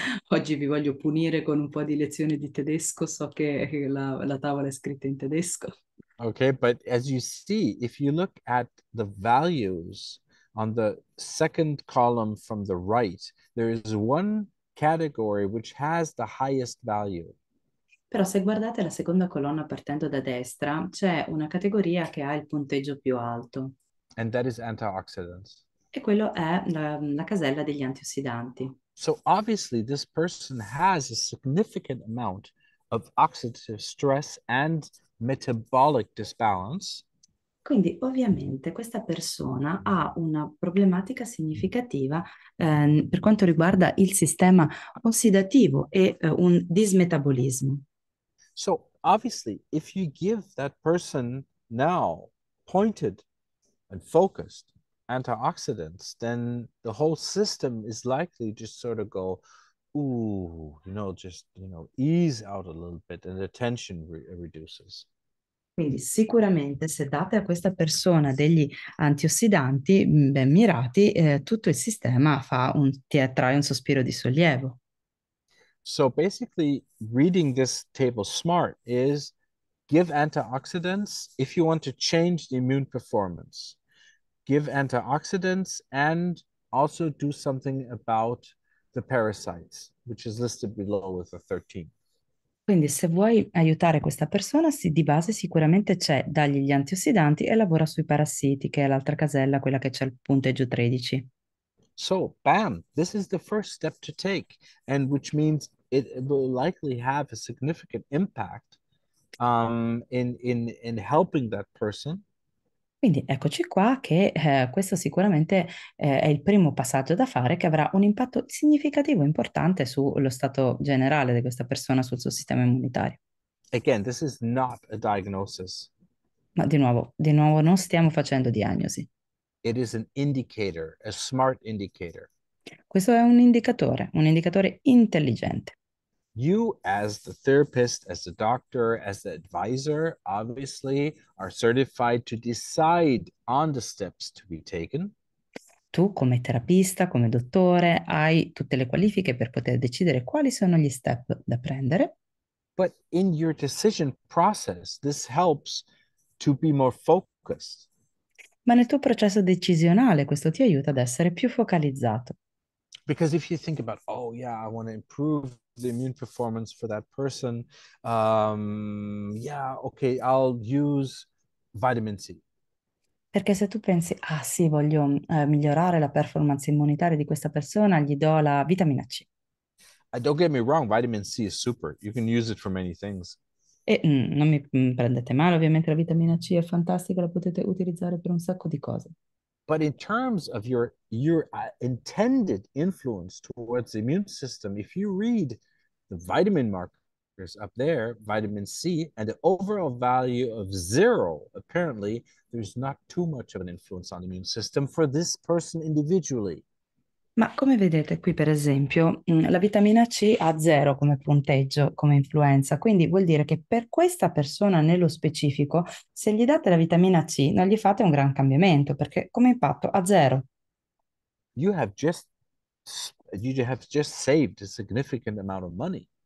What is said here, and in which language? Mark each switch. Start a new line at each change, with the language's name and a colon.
Italian: Oggi vi voglio punire con un po' di lezione di tedesco, so che la tavola è scritta in tedesco.
English: Okay, but as you see, if you look at the values on the second column from the right, there is one category which has the highest value.
Italian: Però se guardate la seconda colonna partendo da destra, c'è una categoria che ha il punteggio più alto.
English: And that is antioxidants.
Italian: E quello è la casella degli antiossidanti.
English: So obviously this person has a significant amount of oxidative stress and metabolic disbalance.
Italian: Quindi ovviamente questa persona ha una problematica significativa per quanto riguarda il sistema ossidativo e un dismetabolismo.
English: So obviously if you give that person now pointed and focused antioxidants, then the whole system is likely just sort of go, ooh, you know, just, you know, ease out a little bit and the tension reduces.
Italian: Quindi sicuramente se date a questa persona degli antiossidanti ben mirati, tutto il sistema trae un sospiro di sollievo.
English: So basically reading this table smart is give antioxidants if you want to change the immune performance. Give antioxidants and also do something about the parasites, which is listed below with the 13.
Italian: Quindi se vuoi aiutare questa persona, sì, di base sicuramente c'è dagli gli antiossidanti e lavora sui parassiti, che è l'altra casella, quella che c'è il punteggio 13.
English: So, bam, this is the first step to take, and which means it will likely have a significant impact in helping that person.
Italian: Quindi eccoci qua che questo sicuramente è il primo passaggio da fare che avrà un impatto significativo e importante sullo stato generale di questa persona, sul suo sistema immunitario.
English: Again, this is not a diagnosis.
Italian: Ma di nuovo non stiamo facendo diagnosi.
English: It is an indicator, a smart indicator.
Italian: Questo è un indicatore intelligente.
English: You as the therapist, as the doctor, as the advisor, obviously are certified to decide on the steps to be taken.
Italian: Tu come terapista, come dottore, hai tutte le qualifiche per poter decidere quali sono gli step da prendere.
English: But in your decision process, this helps to be more focused.
Italian: Ma nel tuo processo decisionale questo ti aiuta ad essere più focalizzato.
English: Because if you think about, oh yeah, I want to improve the immune performance for that person, I'll use vitamin C.
Italian: Perché se tu pensi, ah sì, voglio migliorare la performance immunitaria di questa persona, gli do la vitamina C.
English: Don't get me wrong, vitamin C is super. You can use it for many things.
Italian: E non mi prendete male, ovviamente la vitamina C è fantastica, la potete utilizzare per un sacco di cose.
English: But in terms of your intended influence towards the immune system, if you read the vitamin markers up there, vitamin C, and the overall value of zero, apparently there's not too much of an influence on the immune system for this person individually.
Italian: Ma come vedete qui, per esempio, la vitamina C ha zero come punteggio, come influenza, quindi vuol dire che per questa persona nello specifico, se gli date la vitamina C, non gli fate un gran cambiamento, perché come impatto ha zero.
English: You have just saved a significant amount of money.